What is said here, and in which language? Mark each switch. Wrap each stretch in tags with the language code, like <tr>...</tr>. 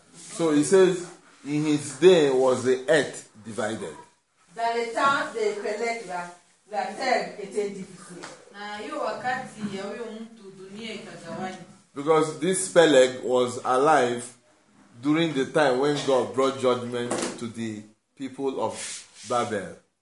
<en>So he says, in his day was the earth divided.</en> <fr>Dans le temps de Pélec, la terre était divisée.</fr> <en>Because this Pélec was alive during the time when God brought judgment to the people of Babel.</en>